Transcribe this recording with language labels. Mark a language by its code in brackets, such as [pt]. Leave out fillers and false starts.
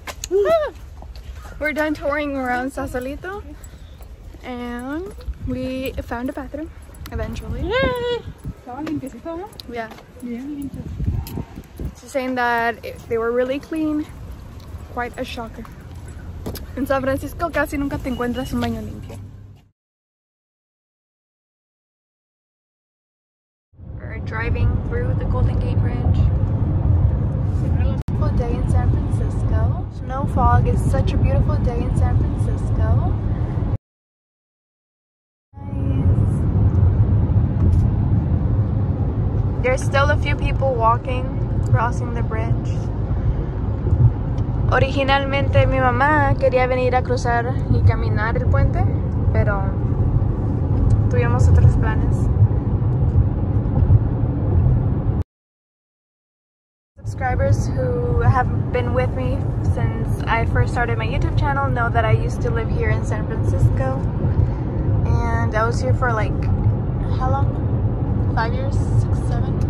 [en] We're done touring around Sausalito, and we found a bathroom eventually. Yeah. So saying that they were really clean, quite a shocker. [es] In San Francisco, casi nunca te encuentras un baño limpio. [en] We're driving through the Golden Gate Bridge. Day in San Francisco. Snow fog is such a beautiful day in San Francisco. Nice. There's still a few people walking, crossing the bridge. [es] Originalmente, mi mamá quería venir a cruzar y caminar el puente, pero tuvimos otros planes. [en] Subscribers who have been with me since I first started my YouTube channel know that I used to live here in San Francisco, and I was here for like, how long? 5 years? Six, seven?